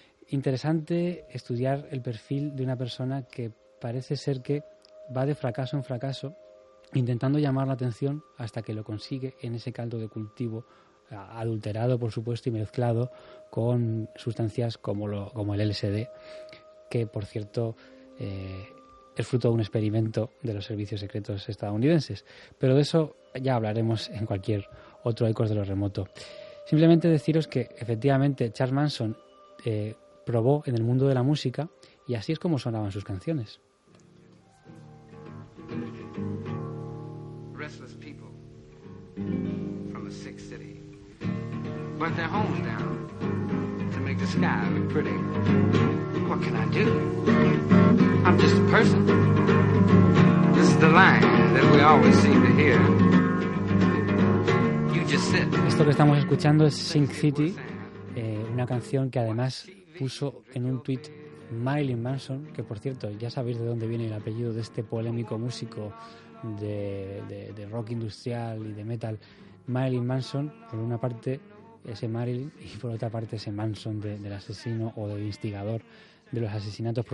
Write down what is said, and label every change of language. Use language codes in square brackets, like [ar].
[es] Interesante estudiar el perfil de una persona que parece ser que va de fracaso en fracaso intentando llamar la atención hasta que lo consigue en ese caldo de cultivo adulterado, por supuesto, y mezclado con sustancias como el LSD, que, por cierto, es fruto de un experimento de los servicios secretos estadounidenses. Pero de eso ya hablaremos en cualquier otro Ecos de lo Remoto. Simplemente deciros que, efectivamente, Charles Manson probó en el mundo de la música y así es como sonaban sus canciones. [en] Restless people from the sick city. But their home's down to make the sky look pretty. What can I do? I'm just a person. This is the line that we always seem to hear. You just sit. [es] Esto que estamos escuchando es Sink City, una canción que además puso en un tuit Marilyn Manson, que por cierto, ya sabéis de dónde viene el apellido de este polémico músico de rock industrial y de metal, Marilyn Manson, por una parte ese Marilyn y por otra parte ese Manson del asesino o del instigador de los asesinatos.